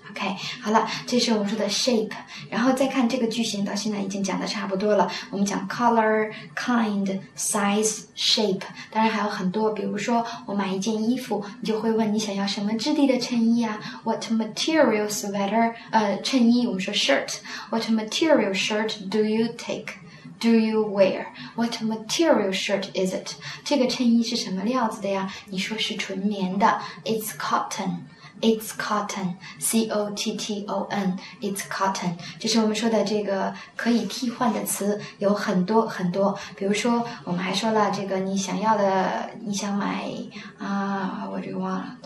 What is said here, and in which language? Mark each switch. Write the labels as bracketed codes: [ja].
[zh] OK, 好了，这是我们说的 shape, 然后再看这个句型，到现在已经讲的差不多了，我们讲 color, kind, size, shape, 当然还有很多，比如说我买一件衣服，你就会问你想要什么质地的衬衣啊， what material sweater, 衬衣我们说 shirt, [en] what material shirt do you take? Do you wear? What material shirt is it? [zh] 这个衬衣是什么料子的呀？你说是纯棉的。 [en] It's cotton. It's cotton. C-O-T-T-O-N. It's cotton. [zh] 这是我们说的这个可以替换的词，有很多很多。比如说，我们还说了这个你想要的，你想买啊、 [en] what do you want?